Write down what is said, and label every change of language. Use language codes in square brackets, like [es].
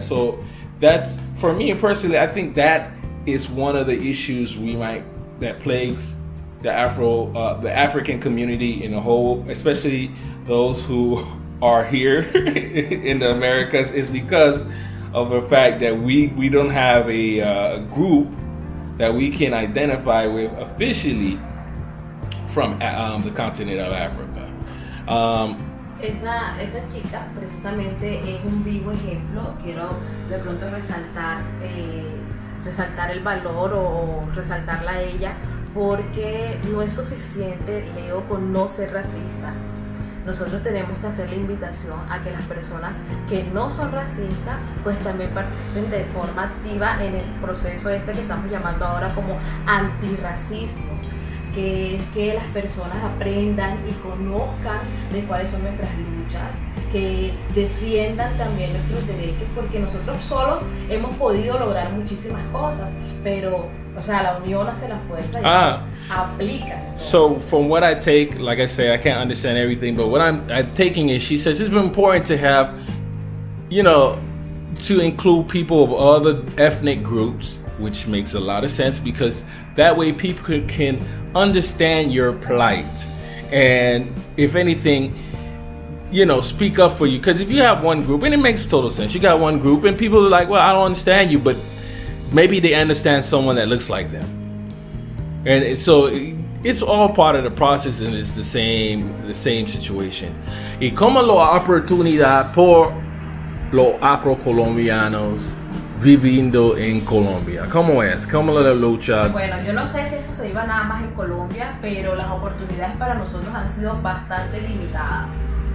[en] So that's, for me personally, I think that is one of the issues that plagues the African community in a whole, especially those who are here in the Americas, is because of the fact that we don't have a group that we can identify with officially from the continent of Africa. [es] Esa chica precisamente es un vivo ejemplo. Quiero de pronto resaltar el valor o resaltarla a ella, porque no es suficiente, Leo, con no ser racista. Nosotros tenemos que hacer la invitación a que las personas que no son racistas pues también participen de forma activa en el proceso este que estamos llamando ahora como antirracismo, que es que las personas aprendan y conozcan de cuáles son nuestras luchas, que defiendan también nuestros derechos, porque nosotros solos hemos podido lograr muchísimas cosas, pero, o sea, la unión hace la fuerza y aplica. [en] So from what I take, like I say, I can't understand everything, but what I'm taking is, she says it's important to have, you know, to include people of other ethnic groups, which makes a lot of sense, because that way people can understand your plight, and if anything, you know, speak up for you. Because if you have one group, and it makes total sense, you got one group and people are like, well, I don't understand you, but maybe they understand someone that looks like them. And so it's all part of the process, and it's the same situation. [es] Y como la oportunidad por los afrocolombianos viviendo en Colombia. ¿Cómo es? ¿Cómo la lucha? Bueno, yo no sé si eso se iba nada más en Colombia, pero las oportunidades para nosotros han sido bastante limitadas.